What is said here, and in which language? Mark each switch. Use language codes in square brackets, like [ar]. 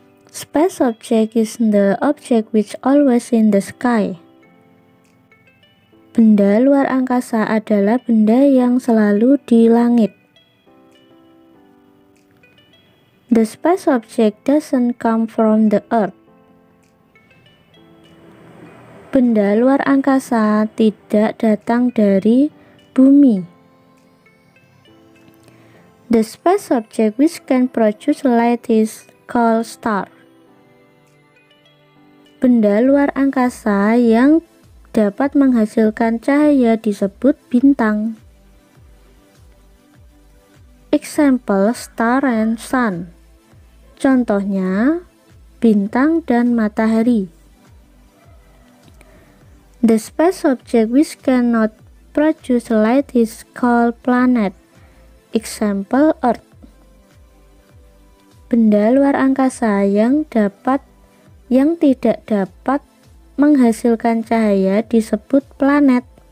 [en] Space object is the object which always in the sky. [id] Benda luar angkasa adalah benda yang selalu di langit. [en] The space object doesn't come from the earth. [id] Benda luar angkasa tidak datang dari bumi. [en] The space object which can produce light is called star. [id] Benda luar angkasa yang dapat menghasilkan cahaya disebut bintang. [en] Example star and sun. [id] Contohnya, bintang dan matahari. [en] The space object which cannot produce light is called planet. Example Earth. [id] Benda luar angkasa yang tidak dapat menghasilkan cahaya disebut planet.